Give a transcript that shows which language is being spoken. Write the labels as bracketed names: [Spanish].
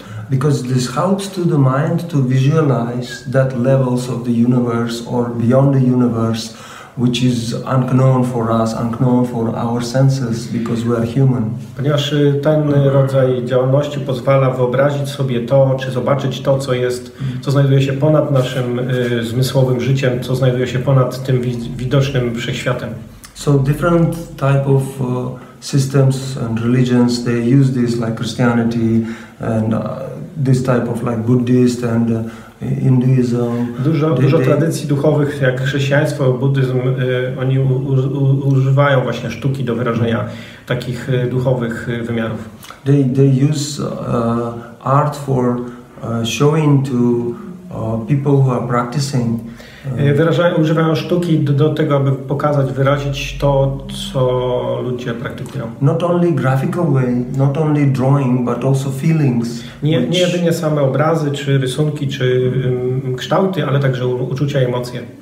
[English] Because this helps to the mind to visualize that levels of the universe or beyond the universe, which is unknown for us, unknown for our senses, because we are human. [Polish] Ponieważ ten rodzaj działalności pozwala wyobrazić sobie to, czy zobaczyć to, co jest, co znajduje się ponad naszym zmysłowym życiem, co znajduje się ponad tym widocznym wszechświatem. [English] So different type of systems and religions, they use this like Christianity and this type of like Buddhist and Hinduism. [Polish] Dużo tradycji duchowych, jak chrześcijaństwo, buddyzm, oni używają właśnie sztuki do wyrażenia takich duchowych wymiarów. [English] They use art for showing to people who are practicing. [Polish] Używają sztuki do tego, aby pokazać, wyrazić to, co ludzie praktykują. [English] Not only graphical way, not only drawing, but also feelings. [Polish] Nie jedynie same obrazy, czy rysunki, czy kształty, ale także uczucia i emocje.